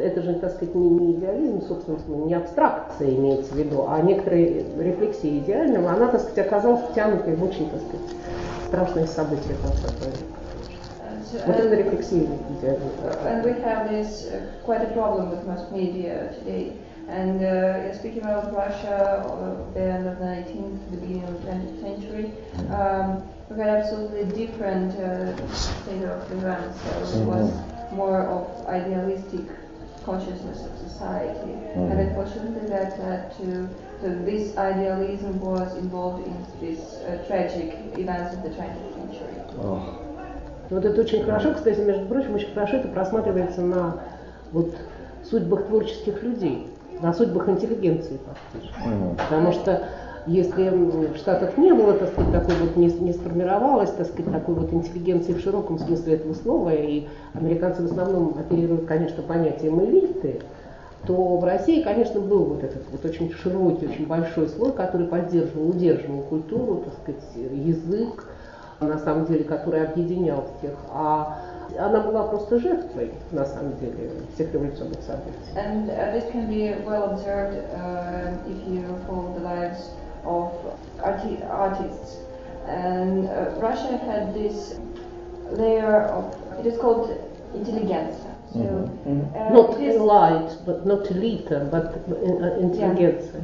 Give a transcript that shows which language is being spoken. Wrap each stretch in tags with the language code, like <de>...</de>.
<ru>Это же, так сказать, не идеализм, собственно, не абстракция имеется в виду, а некоторая рефлексия идеального, она, так сказать, оказалась втянутой в очень, так сказать, страшное событие такое.</ru> <en>And we have this quite a problem with mass media today. And speaking about Russia the end of the 19th, the beginning of the 20th century, we had absolutely different state of events. So it was more of idealistic consciousness of society. Mm-hmm. And unfortunately, that led to this idealism was involved in this tragic events of the 20th century. Oh.</en> <ru>Вот это очень хорошо, кстати, между прочим, очень хорошо это просматривается на вот судьбах творческих людей, на судьбах интеллигенции, потому что если в Штатах не было, так сказать, такой вот, не сформировалось, так сказать, такой вот интеллигенции в широком смысле этого слова, и американцы в основном оперируют, конечно, понятием элиты, то в России, конечно, был вот этот вот очень широкий, очень большой слой, который удерживал культуру, так сказать, язык, на самом деле, который объединял всех, а она была просто жертвой, на самом деле, всех революционных событий.</ru> <en>And this can be well observed if you follow the lives of artists. And Russia had this layer of, it is called intelligentsia. So, not elite, but not elite, but intelligentsia.</en>